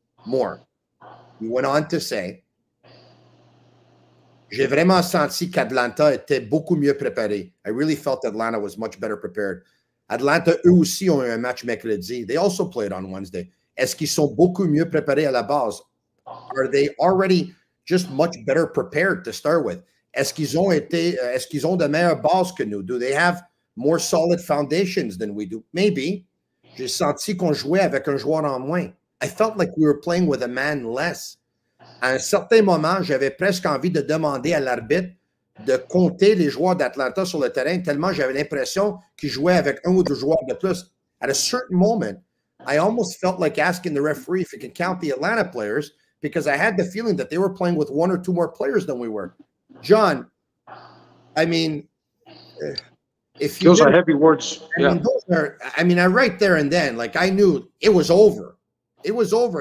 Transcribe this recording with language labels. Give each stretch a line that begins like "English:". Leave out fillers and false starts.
English: More, we went on to say,
French: j'ai vraiment senti qu'Atlanta était beaucoup mieux préparé.
English: I really felt Atlanta was much better prepared.
French: Atlanta, eux aussi, ont eu un match mercredi.
English: They also played on Wednesday.
French: Est-ce qu'ils sont beaucoup mieux préparés à la base?
English: Are they already just much better prepared to start with?
French: Est-ce qu'ils ont de meilleures bases que nous?
English: Do they have more solid foundations than we do? Maybe.
French: J'ai senti qu'on jouait avec un joueur en moins.
English: I felt like we were playing with a man less.
French: À un certain moment, j'avais presque envie de demander à l'arbitre de compter les joueurs d'Atlanta sur le terrain tellement j'avais l'impression qu'ils jouaient avec un ou deux joueurs de plus.
English: At a certain moment, I almost felt like asking the referee if he could count the Atlanta players because I had the feeling that they were playing with one or two more players than we were. John, I mean, if you... Those are heavy words. I mean, those are, I mean, right there and then, like, I knew it was over. It was over.